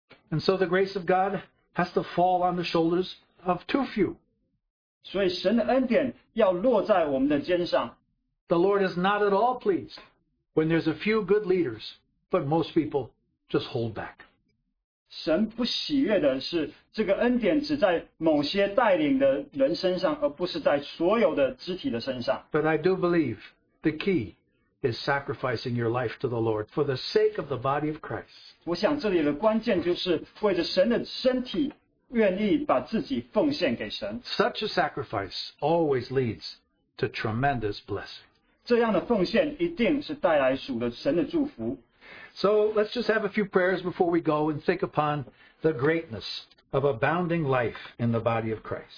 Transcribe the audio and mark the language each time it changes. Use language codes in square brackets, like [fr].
[en] And so the grace of God has to fall on the shoulders of too few. [zh] 所以神的恩典要落在我们的肩上。 [en] The Lord is not at all pleased when there's a few good leaders, but most people just hold back. [zh] 神不喜悦的是这个恩典只在某些带领的人身上而不是在所有的肢体的身上 [en] But I do believe the key is sacrificing your life to the Lord for the sake of the body of Christ. [zh] 我想这里的关键就是为着神的身体愿意把自己奉献给神 [en] Such a sacrifice always leads to tremendous blessing. [zh] 这样的奉献一定是带来属的神的祝福 [en] So let's just have a few prayers before we go and think upon the greatness of abounding life in the body of Christ.